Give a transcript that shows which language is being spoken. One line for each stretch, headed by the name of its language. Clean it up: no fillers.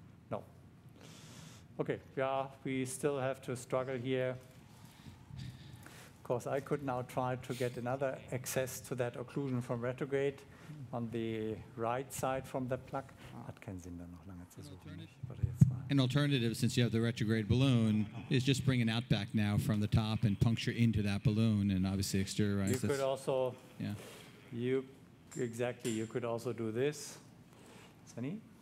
English: No. Okay, yeah, we still have to struggle here. Of course, I could now try to get another access to that occlusion from retrograde on the right side from the plug.
German: Hat keinen Sinn, dann noch lange zu suchen.
English: An alternative, since you have the retrograde balloon, is just bring an outback now from the top and puncture into that balloon and obviously exteriorize this. You could also do this. Sunny?